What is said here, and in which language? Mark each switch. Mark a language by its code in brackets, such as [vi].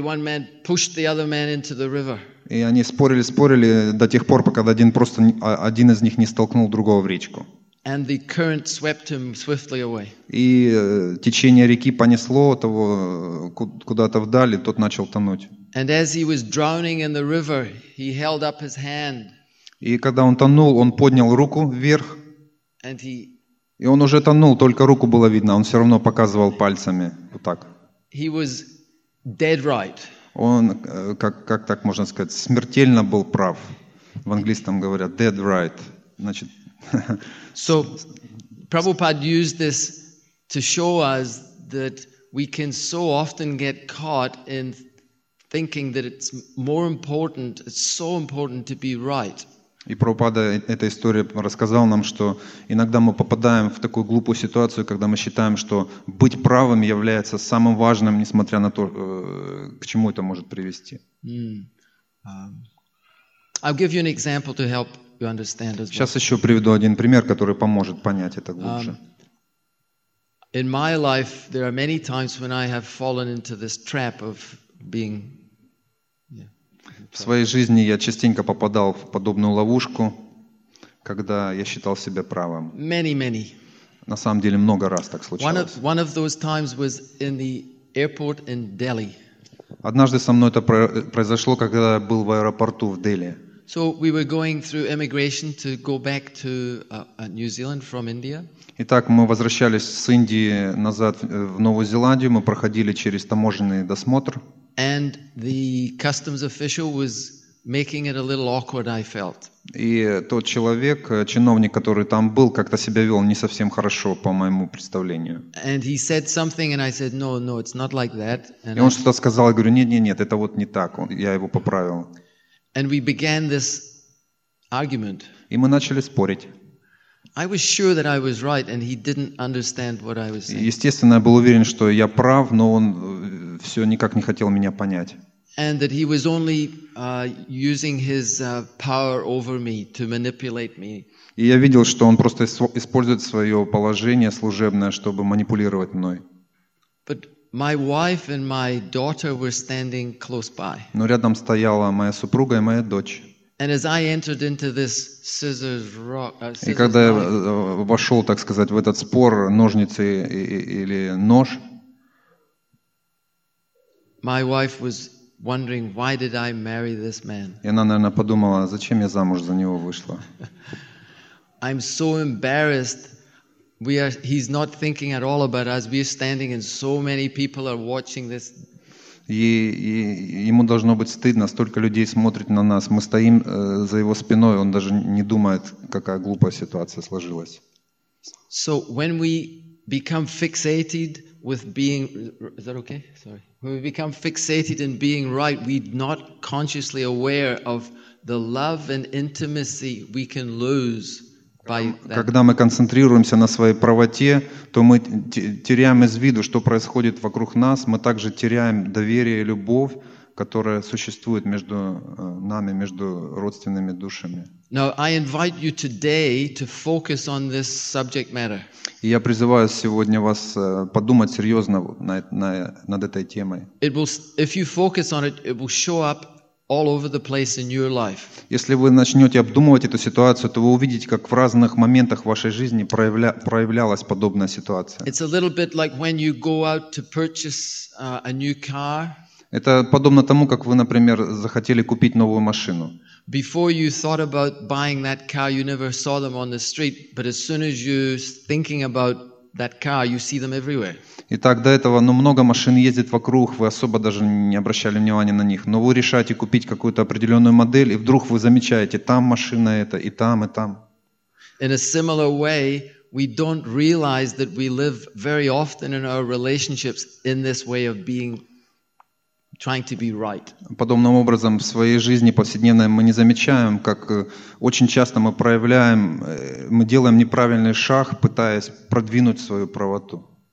[en] One man pushed the other man into the river. [ru] И они спорили до тех пор, пока один из них не столкнул другого в речку. [en] And the current swept him swiftly away. [ru] И течение реки понесло того куда-то вдаль, и тот начал тонуть. [en] And as he was drowning in the river, he held up his hand. [ru] И когда он тонул, он поднял руку вверх. [en] And he. [ru] И он уже тонул, только руку было видно. Он все равно показывал пальцами вот так. [en] He was dead right. [ru] Он, как так можно сказать, смертельно был прав. В английском говорят [en] dead right. [ru] Значит, [en] so, Prabhupada used this to show us that we can so often get caught in thinking that it's more important, it's so important to be right. [ru] И Прабхупада эта история рассказала нам, что иногда мы попадаем в такую глупую ситуацию, когда мы считаем, что быть правым является самым важным, несмотря на то, к чему это может привести. [en] I'll give you an example to help you understand as well. [ru] Сейчас еще приведу один пример, который поможет понять это глубже. [en] In my life there are many times when I have fallen into this trap of being [ru] В своей жизни я частенько попадал в подобную ловушку, когда я считал себя правым. [en] Many. [ru] На самом деле много раз так случалось. [en] One of those times was in the airport in Delhi. [ru] Однажды со мной это произошло, когда я был в аэропорту в Дели. [en] So we were going through immigration to go back to New Zealand from India. [ru] Итак, мы возвращались с Индии назад в Новую Зеландию, мы проходили через таможенный досмотр. [en] And the customs official was making it a little awkward, I felt. [ru] И тот человек, чиновник, который там был, как-то себя вел не совсем хорошо, по моему представлению. [en] And he said something, and I said, no, it's not like that. [ru] И он что-то сказал, я говорю, нет, это вот не так, я его поправил. [en] And we began this argument. [ru] И мы начали спорить. [en] I was sure that I was right, and he didn't understand what I was saying. [ru] Естественно, я был уверен, что я прав, но он все никак не хотел меня понять. [en] And that he was only using his power over me to manipulate me. [ru] И я видел, что он просто использует свое положение служебное, чтобы манипулировать мной. [en] But my wife and my daughter were standing close by. [ru] Но рядом стояла моя супруга и моя дочь. [en] And as I entered into this scissors rock, [ru] и когда я вошел, так сказать, в этот спор ножницы или нож, [en] my wife was wondering, why did I marry this man? [ru] И она, наверное, подумала, зачем я замуж за него вышла. [en] I'm so embarrassed. He's not thinking at all about us. We're standing, and so many people are watching this. [ru] И ему должно быть стыдно, столько людей смотрит на нас. Мы стоим за его спиной, он даже не думает, какая глупая ситуация сложилась. [en] So when we become fixated with being, is that okay? Sorry. When we become fixated in being right, we're not consciously aware of the love and intimacy we can lose. [ru] Когда мы концентрируемся на своей правоте, то мы теряем из виду, что происходит вокруг нас. Мы также теряем доверие и любовь, которая существует между нами, между родственными душами. [en] Now, I invite you today to focus on this subject matter. [ru] И я призываю сегодня вас подумать серьезно над этой темой. [en] It will, if you focus on it, it will show up all over the place in your life. [ru] Если вы начнете обдумывать эту ситуацию, то вы увидите, как в разных моментах вашей жизни проявлялась подобная ситуация. [en] It's a little bit like when you go out to purchase a new car. [ru] Это подобно тому, как вы, например, захотели купить новую машину. [en] Before you thought about buying that car, you never saw them on the street, but as soon as you're thinking about that car, you see them everywhere. [ru] Итак, до этого, много машин ездит вокруг, вы особо даже не обращали внимания на них. Но вы решаете купить какую-то определенную модель, и вдруг вы замечаете, там машина эта, и там, и там. [en] In a similar way, we don't realize that we live very often in our relationships in this way of being trying to be right. [ru] Подобным образом в своей жизни повседневной мы не замечаем, как очень часто мы проявляем, мы делаем неправильный шаг, пытаясь продвинуть свою правоту.